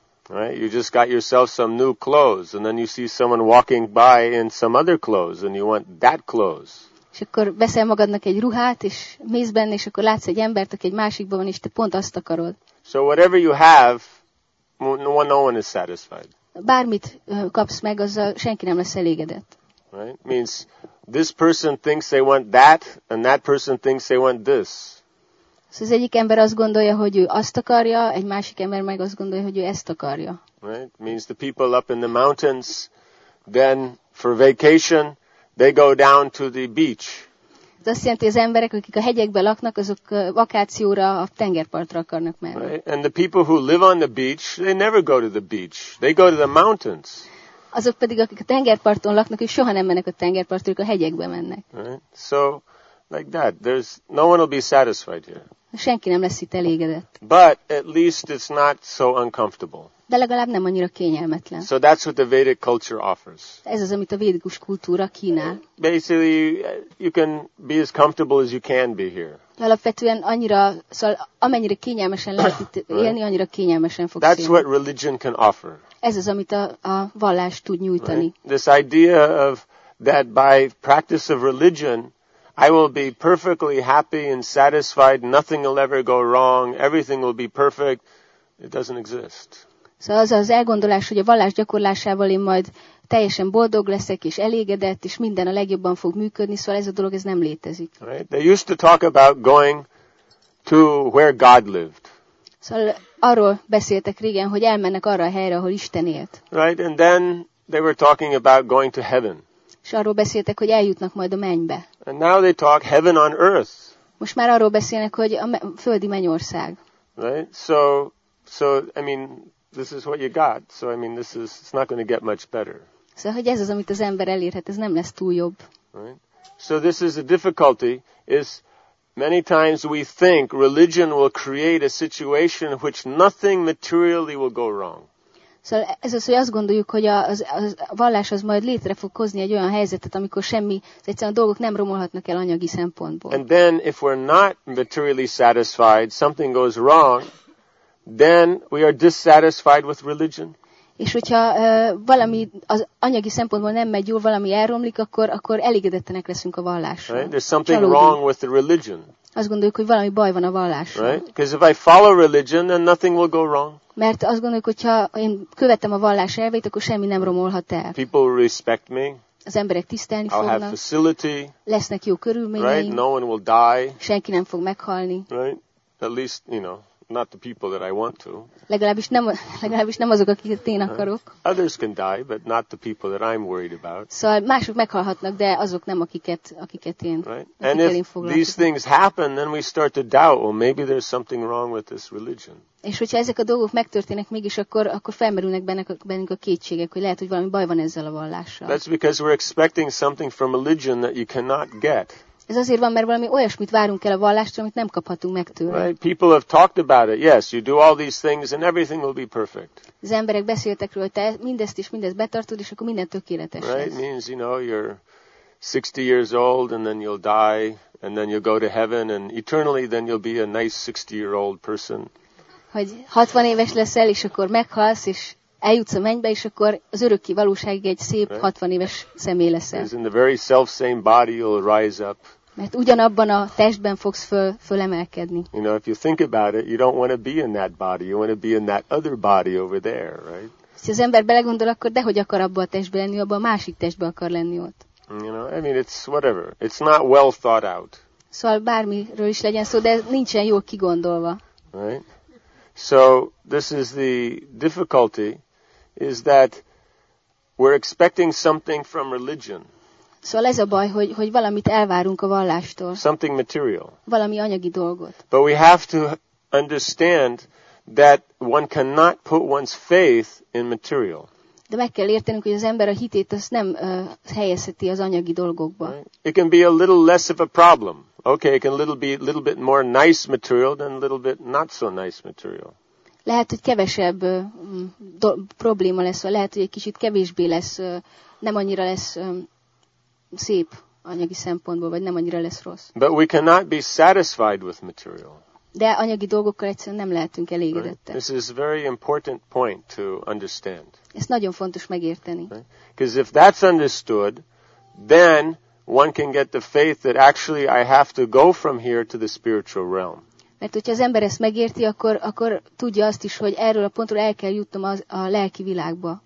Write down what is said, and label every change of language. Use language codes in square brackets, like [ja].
[en] Right? You just got yourself some new clothes, and then you see someone walking by in some other clothes, and you want that clothes. [hu] És akkor veszel magadnak egy ruhát, és mész benne, és akkor látsz egy embert, aki egy másikban van, és te pont azt akarod. [en] So whatever you have, no one is satisfied. [hu] Bármit kapsz meg, azzal senki nem lesz elégedett. [en] Right? Means this person thinks they want that, and that person thinks they want this. [hu] Szóval az egyik ember azt gondolja, hogy ő azt akarja, egy másik ember meg azt gondolja, hogy ő ezt akarja. [en] Right? Means the people up in the mountains, then for vacation, they go down to the beach. [hu] Ez azt jelenti, az emberek, akik a hegyekben laknak, azok vakációra a tengerpartra akarnak menni. [en] Right? And the people who live on the beach, they never go to the beach. They go to the mountains. [hu] Azok pedig, akik a tengerparton laknak, ők soha nem mennek a tengerpartra, ők a hegyekbe mennek. [en] Right? So, like that, there's no one will be satisfied here. [hu] Senki nem lesz itt elégedett. [en] But at least it's not so uncomfortable. [hu] De legalább nem annyira kényelmetlen. [en] So that's what the Vedic culture offers. [hu] Ez az, amit a védikus kultúra kínál. [en] Basically, you can be as comfortable as you can be here. [hu] Alapvetően annyira, szóval amennyire kényelmesen lehet itt élni, annyira kényelmesen fogsz. [en] That's what religion can offer. [hu] Ez az, amit a vallás tud nyújtani. [en] Right? This idea of that by practice of religion, I will be perfectly happy and satisfied. Nothing will ever go wrong. Everything will be perfect. It doesn't exist. [hu] Szóval az az elgondolás, hogy a vallás gyakorlásával én majd teljesen boldog leszek és elégedett, és minden a legjobban fog működni, szóval ez a dolog ez nem létezik. [en] Right? They used to talk about going to where God lived. [hu] Szóval arról beszéltek régen, hogy elmennek arra a helyre, ahol Isten élt. [en] Right? And then they were talking about going to heaven. [hu] És arról beszéltek, hogy eljutnak majd a mennybe. [en] And now they talk heaven on earth. [hu] Most már arról beszélnek, hogy a földi mennyország. [en] Right? So I mean, this is what you got. So I mean, it's not going to get much better. [hu] Szóval, hogy ez az, amit az ember elérhet, ez nem lesz túl jobb. [en] Right? So this is the difficulty, is many times we think religion will create a situation in which nothing materially will go wrong. [hu] Szóval ez az, hogy azt gondoljuk, hogy a vallás az majd létre fog hozni egy olyan helyzetet, amikor semmi, egyszerűen a dolgok nem romolhatnak el anyagi szempontból. [en] And then if we're not materially satisfied, something goes wrong, then we are dissatisfied with religion. [hu] És hogyha valami az anyagi szempontból nem megy jól, valami elromlik, akkor elégedettenek leszünk a vallásra. [en] Right? There's something wrong with the religion. [hu] Azt gondoljuk, hogy valami baj van a vallással. [en] Right? Because if I follow religion, then nothing will go wrong. [hu] Mert azt gondoljuk, hogy ha én követem a vallás elveit, akkor semmi nem romolhat el. [en] People will respect me. [hu] Az emberek tisztelni [en] I'll [hu] fognak. [en] I'll have facility. [hu] Lesznek jó körülmények. [en] Right? No one will die. [hu] Senki nem fog meghalni. [en] Right? At least, you know, not the people that I want to. [hu] Legalábbis nem azok, akiket én akarok. [en] Others can die, but not the people that I'm worried about. [hu] Szóval mások meghalhatnak, de azok nem akiket én. [en] Right? And if these things happen, then we start to doubt, well, maybe there's something wrong with this religion. [hu] És hogyha ezek a dolgok megtörténnek mégis, akkor felmerülnek bennünk a kétségek, hogy lehet, hogy valami baj van ezzel a vallással. [en] That's because we're expecting something from religion that you cannot get. [hu] Ez azért van, mert valami olyasmit várunk el a vallástól, amit nem kaphatunk meg tőle. [en] Right? People have talked about it. Yes, you do all these things and everything will be perfect. [hu] Az emberek beszéltek róla, hogy te mindezt is, mindezt betartod, és akkor minden tökéletes lesz. [en] Right? Means, you know, you're 60 years old and then you'll die and then you'll go to heaven and eternally then you'll be a nice 60-year-old person. [hu] Hogy 60 éves leszel, és akkor meghalsz, és eljutsz a mennybe, és akkor az örökké valóságig egy szép 60 éves személy leszel. [en] In the very self-same body you'll rise up. [hu] Mert ugyanabban a testben fogsz fölemelkedni. [en] You know, if you think about it, you don't want to be in that body. You want to be in that other body over there, right? [hu] És az ember belegondol, akkor dehogy akar abba a testbe lenni, abba a másik testbe akar lenni ott. [en] You know, I mean, it's whatever. It's not well thought out. [hu] Szóval bármiről is legyen szó, de nincsen jól kigondolva. [en] Right? So this is the difficulty, is that we're expecting something from religion. [hu] Szóval ez a baj, hogy valamit elvárunk a vallástól. [en] Something material. [hu] Valami anyagi dolgot. [en] But we have to understand that one cannot put one's faith in material. [hu] De meg kell értenünk, hogy az ember a hitét azt nem helyezheti az anyagi dolgokba. [en] Right. It can be a little less of a problem. Okay, it can little bit more nice material than a little bit not so nice material. [hu] Lehet, hogy kevesebb probléma lesz, vagy lehet, hogy egy kicsit kevésbé lesz, nem annyira lesz szép anyagi szempontból, vagy nem annyira lesz rossz. [en] But we cannot be satisfied with material. [hu] De anyagi dolgokkal egyszerűen nem lehetünk elégedettek. [en] Right. This is a very important point to understand. [hu] Ez nagyon fontos megérteni. [en] Because if that's understood, then one can get the faith that actually I have to go from here to the spiritual realm. [hu] Mert hogyha az ember ezt megérti, akkor tudja azt is, hogy erről a pontról el kell jutnom a lelki világba.